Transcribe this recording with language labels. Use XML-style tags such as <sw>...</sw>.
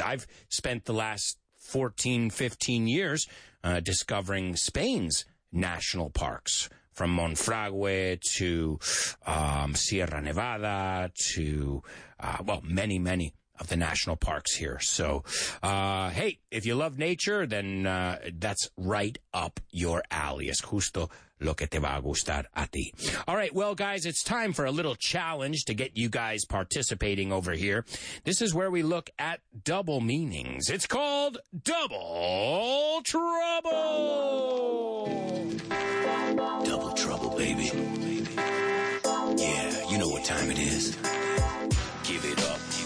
<en>I've spent the last 14, 15 years discovering Spain's national parks, from Monfragüe to Sierra Nevada to, many, many of the national parks here. So, hey, if you love nature, then that's right up your alley.</en> <es>Es justo lo que te va a gustar a ti.</es> <en>All right, well, guys, it's time for a little challenge to get you guys participating over here. This is where we look at double meanings. It's called Double Trouble. Double Trouble, baby. Yeah, you know what time it is. Give it up.</en>